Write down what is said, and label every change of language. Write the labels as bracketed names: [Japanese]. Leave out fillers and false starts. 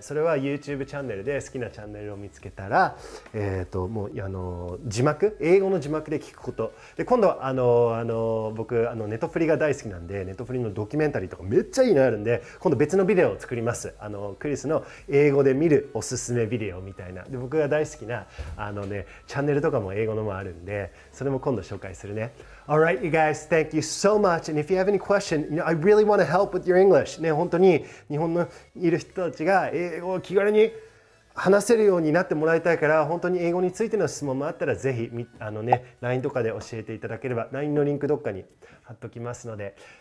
[Japanese] それは YouTube チャンネルで好きなチャンネルを見つけたら、もう字幕、英語の字幕で聞くことで、今度は僕ネットフリが大好きなんで、ネットフリのドキュメンタリーとかめっちゃいいのあるんで、今度別のビデオを作ります。クリスの英語で見るおすすめビデオみたいな、で、僕が大好きなチャンネルとかも英語のもあるんで、それも今度紹介するね。 [English] Alright, you guys, thank you so much. And if you have any question, you know, I really want to help with your English. [Japanese] ね、本当に日本のいる人たちが英語を気軽に話せるようになってもらいたいから、本当に英語についての質問もあったら、ぜひLINE とかで教えていただければ、 LINE のリンクどっかに貼っときますので。